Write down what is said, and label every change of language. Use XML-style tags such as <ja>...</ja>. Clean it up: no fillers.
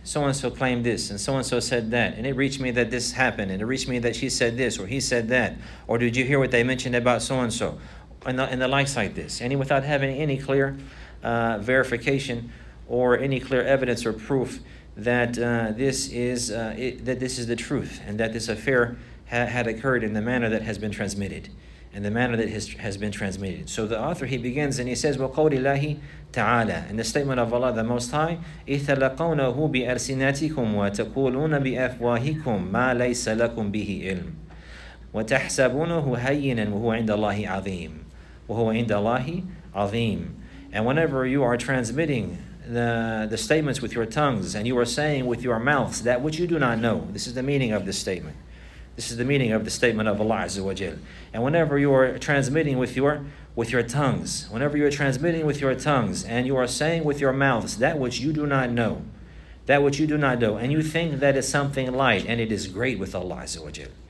<en>So-and-so claimed this, and so-and-so said that, and it reached me that this happened, and it reached me that she said this, or he said that, or did you hear what they mentioned about so-and-so, and the likes like this. Any without having any clear verification or any clear evidence or proof that this is the truth, and that this affair had occurred in the manner that has been transmitted, in the manner that has been transmitted. So the author, he begins and he says,</en> <ar>وَقَوْلِ اللَّهِ تَعَالَى,</ar> <en>in the statement of Allah the Most High,</en> <ar>إِثَلَقَوْنَهُ بِأَلْسِنَاتِكُمْ وَتَقُولُونَ بِأَفْوَاهِكُمْ مَا لَيْسَ لَكُمْ بِهِ عِلْمٌ وَتَحْسَبُونَهُ هَيِّنًا وَهُوَ عِنْدَ اللَّهِ عَظِيمٌ وَهُوَ عِنْدَ اللَّهِ عَظِيمٌ.</ar> <en>And whenever you are transmitting the statements with your tongues, and you are saying with your mouths that which you do not know, this is the meaning of this statement. This is the meaning of the statement of Allah Azza wa Jal. And whenever you are transmitting with your tongues, and you are saying with your mouths that which you do not know, and you think that is something light, and it is great with Allah Azza wa Jal.</en>